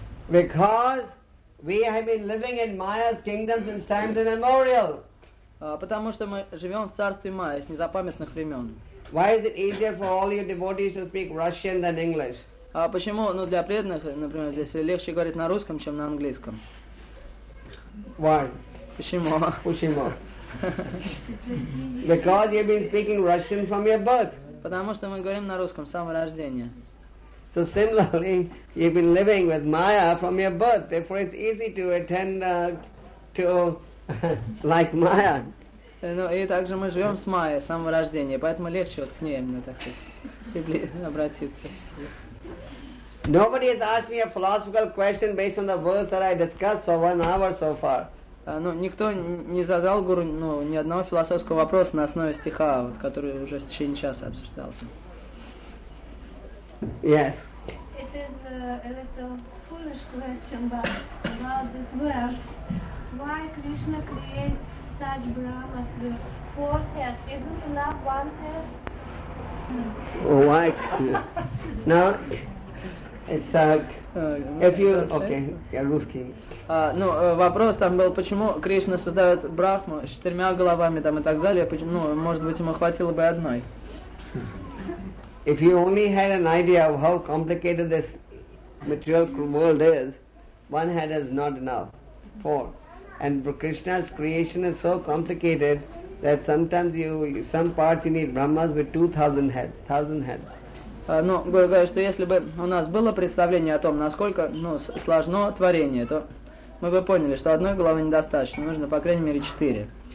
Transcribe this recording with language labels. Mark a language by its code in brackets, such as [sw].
[en] Because we have been living in Maya's kingdom since times immemorial. [ru] Потому что мы живем в царстве Майя с незапамятных времен. [en] Why is it easier for all your devotees to speak Russian than English? [ru] Почему, ну, для преданных, например, здесь легче говорить на русском, чем на английском? [en] Why? [ru] Почему? Почему? [en] Because you've been speaking Russian from your birth. [ru] Потому что мы говорим на русском с самого рождения. [en] So similarly, you've been living with Maya from your birth. Therefore, it's easy to attend to like Maya. [ru] Ну, и также мы живем с Майей с самого рождения, поэтому легче вот к ней, ну, так сказать, обратиться. [en] Nobody has asked me a philosophical question based on the verse that I discussed for 1 hour so far. [ru] Ну, никто не задал гуру, ну, ни одного философского вопроса на основе стиха, вот, который уже в течение часа обсуждался. [en] Yes. It is a little foolish question, but about this verse. Why Krishna creates such brahmas with 4 heads? Isn't enough 1 head? Why? No. It's if you okay, [ru] я русский. Ну, вопрос там был, почему Кришна создает брахму с 4 головами там и так далее, почему, ну, может быть, ему хватило бы одной. [en] If you only had an idea of how complicated this material world is, 1 head is not enough. 4. And Krishna's creation is so complicated that sometimes some parts you need brahmas with 2,000 heads. [ru] Ну, Гуру говорит, что если бы у нас было представление о том, насколько, ну, сложно творение, то мы бы поняли, что одной головы недостаточно, нужно по крайней мере 4.